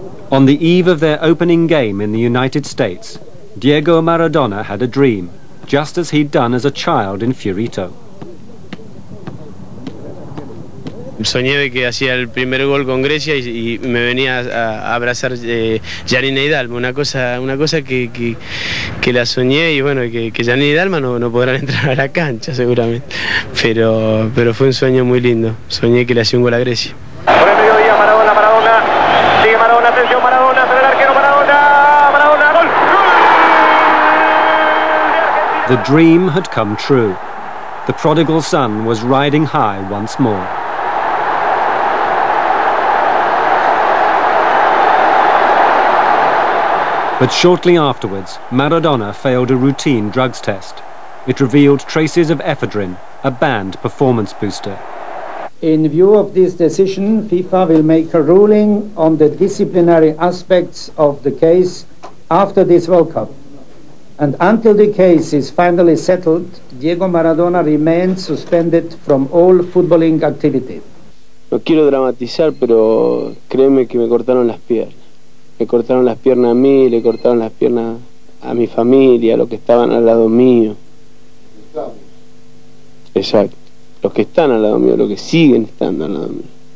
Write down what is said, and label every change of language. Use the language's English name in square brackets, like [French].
[English] On the eve of their opening game in the United States, Diego Maradona had a dream, just as he'd done as a child in Fiorito. [Spanish] soñé de que hacía el primer gol con Grecia y me venía a abrazar Yanina Hidalgo, una cosa que la soñé y bueno, que Yanina Hidalgo no podrán entrar a la cancha seguramente, pero fue un sueño muy lindo, soñé que le hacía un gol a Grecia. Por el mediodía, Maradona, sigue Maradona, atención Maradona, sale el arquero Maradona, gol, gol. [English] The dream had come true. The prodigal son was riding high once more. But shortly afterwards, Maradona failed a routine drugs test. It revealed traces of ephedrine, a banned performance booster. In view of this decision, FIFA will make a ruling on the disciplinary aspects of the case after this World Cup. And until the case is finally settled, Diego Maradona remains suspended from all footballing activity. [Spanish] No quiero dramatizar, pero créeme que me cortaron las piernas. Me cortaron las piernas a mí, le cortaron las piernas a mi familia, a los que estaban al lado mío. Exacto. Los que están al lado mío, los que siguen estando al lado mío.